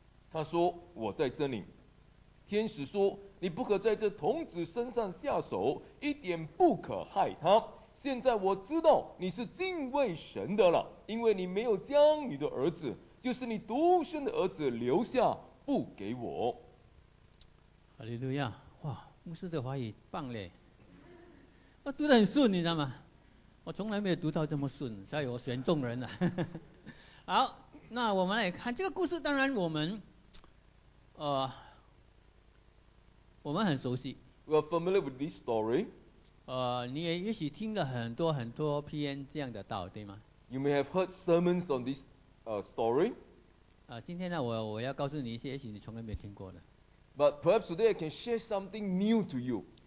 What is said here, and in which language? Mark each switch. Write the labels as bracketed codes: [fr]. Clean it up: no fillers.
[zh] 他说：“我在这里。”天使说：“你不可在这童子身上下手，一点不可害他。现在我知道你是敬畏神的了，因为你没有将你的儿子，就是你独生的儿子留下不给我。”哈利路亚！哇，牧师的话语棒嘞，我读得很顺，你知道吗？我从来没有读到这么顺，在我选中人了。好。那我们来看这个故事，当然我们很熟悉。 [en] We are familiar with this story. [zh] 你也许听了很多 PM 这样的道，对吗？ [en] You may have heard sermons on this story. [zh] 今天呢，我要告诉你一些也许你从来没有听过的。 [en] But perhaps today I can share something new to you.